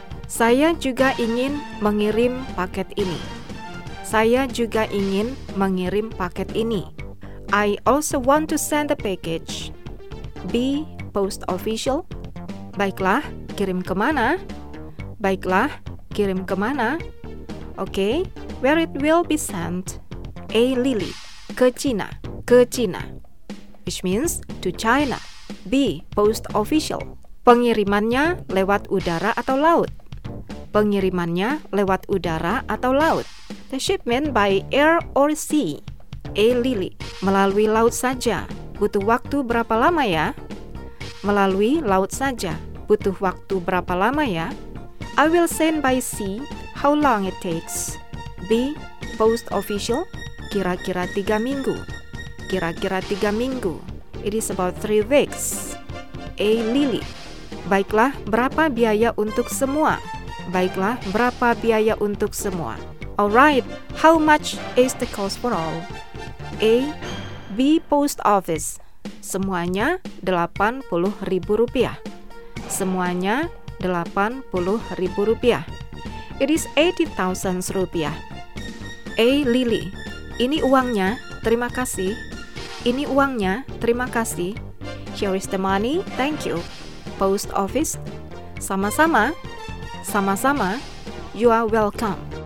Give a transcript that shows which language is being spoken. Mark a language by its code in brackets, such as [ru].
[id] Saya juga ingin mengirim paket ini. Saya juga ingin mengirim paket ini. [en] I also want to send the package. [id] B. Post official. Baiklah, kirim kemana? Baiklah, kirim kemana? [en] Okay, where it will be sent? A. Lily. [id] Ke China. Ke China. [en] Which means to China. B. Post official. [id] Pengirimannya lewat udara atau laut? Pengirimannya lewat udara atau laut? [en] The shipment by air or sea? [id] A. Lily. Melalui laut saja. Butuh waktu berapa lama ya? Melalui laut saja. Butuh waktu berapa lama ya? [en] I will send by sea. How long it takes? B. Post official. [id] Kira-kira 3 minggu. Kira-kira 3 minggu. [en] It is about 3 weeks. A. Lily. [id] Baiklah, berapa biaya untuk semua? Baiklah, berapa biaya untuk semua? [en] Alright, how much is the cost for all? [id] A. B. Post office. Semuanya Rp80.000. Semuanya Rp80.000. [en] It is Rp80.000. [id] A. Lily. Ini uangnya, terima kasih. Ini uangnya, terima kasih. [en] Here is the money, thank you. Post office. [id] Sama-sama. Sama-sama. [en] You are welcome.